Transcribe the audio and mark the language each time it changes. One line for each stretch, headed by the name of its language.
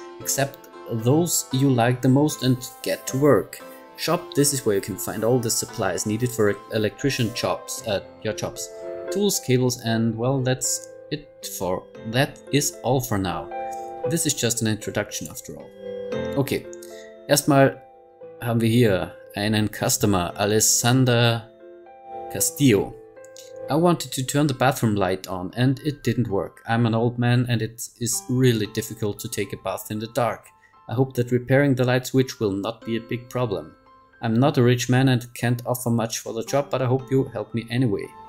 English: Accept those you like the most and get to work. Shop, this is where you can find all the supplies needed for electrician jobs, your jobs. Tools, cables, and well, that is all for now. This is just an introduction after all.
German: Okay, erstmal haben wir hier einen Customer, Alessandra Castillo.
English: I wanted to turn the bathroom light on and it didn't work. I'm an old man and it is really difficult to take a bath in the dark. I hope that repairing the light switch will not be a big problem. I'm not a rich man and can't offer much for the job, but I hope you help me anyway.